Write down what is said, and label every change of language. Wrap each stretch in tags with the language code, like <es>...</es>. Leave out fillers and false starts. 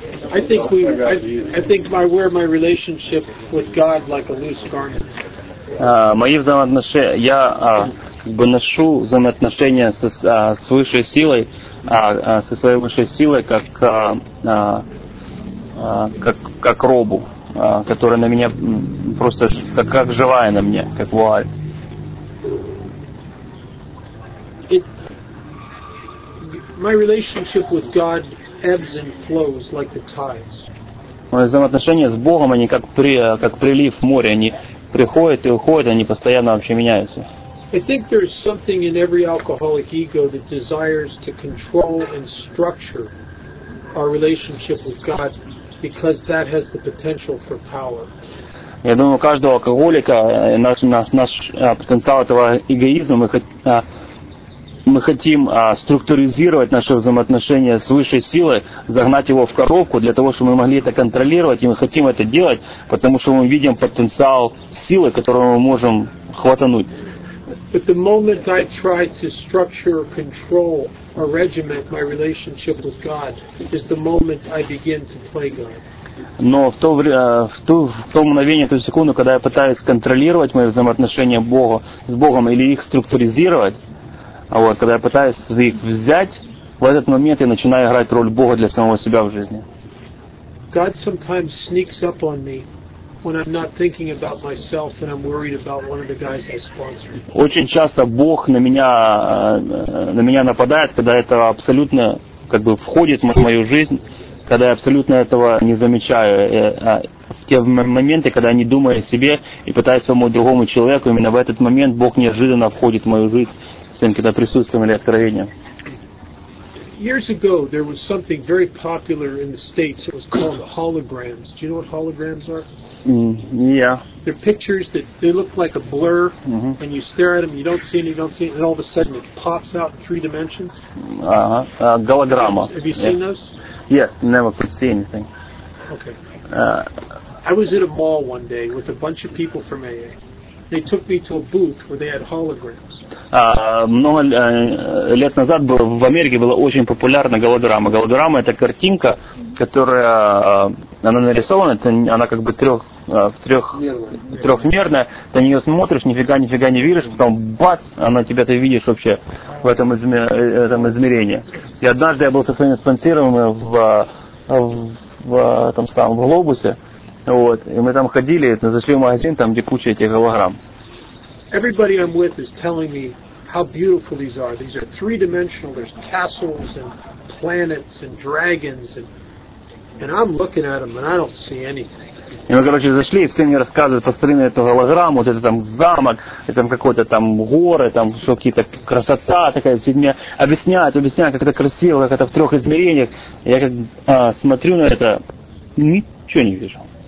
<en>I think I wear my relationship with God like a loose garment.</en> <ru>Мои взаимоотношения, я как бы ношу взаимоотношения с высшей силой, со своей высшей силой, как робу, которая на меня просто как живая на мне, как вуаль.</ru> <en>My relationship with God ebbs and flows like the tides.</en> <ru>Мои взаимоотношения с Богом, они как прилив моря, они приходят и уходят, они постоянно вообще меняются.</ru> <en>I think there's something in every alcoholic ego that desires to control and structure our relationship with God, because that has the potential for power.</en> <ru>Я думаю, у каждого алкоголика наш потенциал этого эгоизма, мы хотим структуризировать наши взаимоотношения с высшей силой, загнать его в коробку для того, чтобы мы могли это контролировать, и мы хотим это делать, потому что мы видим потенциал силы, которого мы можем хватануть. Но в то мгновение, в ту секунду, когда я пытаюсь контролировать мои взаимоотношения с Богом или их структуризировать, Вот, когда я пытаюсь их взять, в этот момент я начинаю играть роль Бога для самого себя в жизни.</ru> <en>God sometimes sneaks up on me when I'm not thinking about myself and I'm worried about one of the guys I sponsor.</en> <ru>Очень часто Бог на меня нападает, когда это абсолютно как бы входит в мою жизнь, когда я абсолютно этого не замечаю. В те моменты, когда я не думаю о себе и пытаюсь помочь другому человеку, именно в этот момент Бог неожиданно входит в мою жизнь с тем, когда присутствием или откровением.</ru> <en>Years ago there was something very popular in the States. It was called holograms. Do you know what holograms are? Yeah. They're pictures that they look like a blur, mm-hmm. and you stare at them, you don't see it, and all of a sudden it pops out in three dimensions.</en> <ru>Голограмма.</ru> <en>Have you seen yeah. those? Yes, never could see anything. Okay. I was at a mall one day with a bunch of people from AA. They took me to a booth where they had holograms.</en> <ru>Много лет назад в Америке была очень популярна голограмма. Голограмма – это картинка, которая она нарисована, она как бы трехмерная. Ты на нее смотришь, нифига не видишь, потом бац, она тебя ты видишь вообще в этом измерении. И однажды я был со своим спонсором в глобусе. Вот. И мы там ходили, зашли в магазин, там где куча этих голограмм.</ru> <en>Everybody I'm with is telling me how beautiful these are. These are three-dimensional. There's castles and planets and dragons and I'm looking at them and I don't see anything.</en> <ru>И мы, короче, зашли, и все мне рассказывают про странную эту голограмму, вот это там замок, это там какой-то там горы, там что какие-то красота такая, все мне объясняют, как это красиво, как это в трех измерениях. Я как смотрю на это, ничего не вижу.</ru>